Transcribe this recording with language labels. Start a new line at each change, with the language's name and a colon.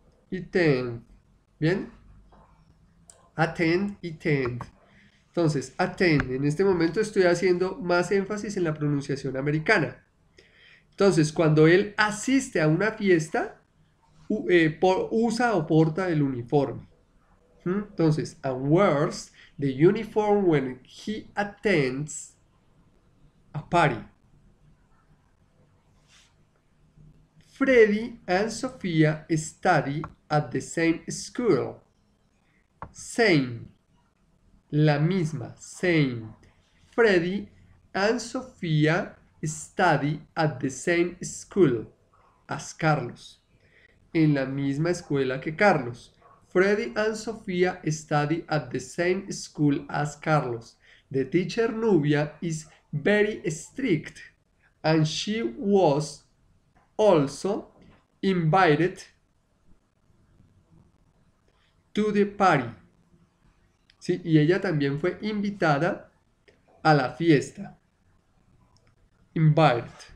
English: Attend.
Spanish: ¿Bien?
English: Attend, attend.
Spanish: Entonces,
English: attend.
Spanish: En este momento estoy haciendo más énfasis en la pronunciación americana. Entonces, cuando él asiste a una fiesta, usa o porta el uniforme. Entonces,
English: and wears the uniform when he attends a party. Freddy and Sofía study at the same school. Same.
Spanish: La misma.
English: Same. Freddy and Sofía study at the same school as Carlos.
Spanish: En la misma escuela que Carlos.
English: Freddy and Sofía study at the same school as Carlos. The teacher Nubia is very strict and she was also invited to the party.
Spanish: ¿Sí? Y ella también fue invitada a la fiesta.
English: Invited.